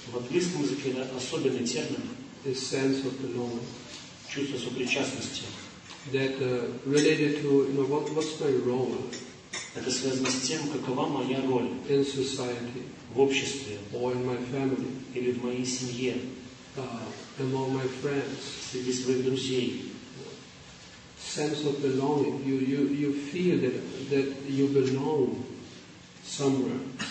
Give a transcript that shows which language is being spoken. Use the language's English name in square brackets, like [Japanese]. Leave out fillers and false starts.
[Russian] В английском языке это особенный термин. [English] The sense of belonging. [Russian] Чувство сопричастности. [English] That related to, you know, what's my role? [Russian] Это связано с тем, какова моя роль. [English] In society. [Russian] В обществе. [English] Or in my family. [Russian] Или в моей семье. [English] Among my friends. [Russian] Среди своих друзей. [English] Sense of belonging. You feel that you belong somewhere.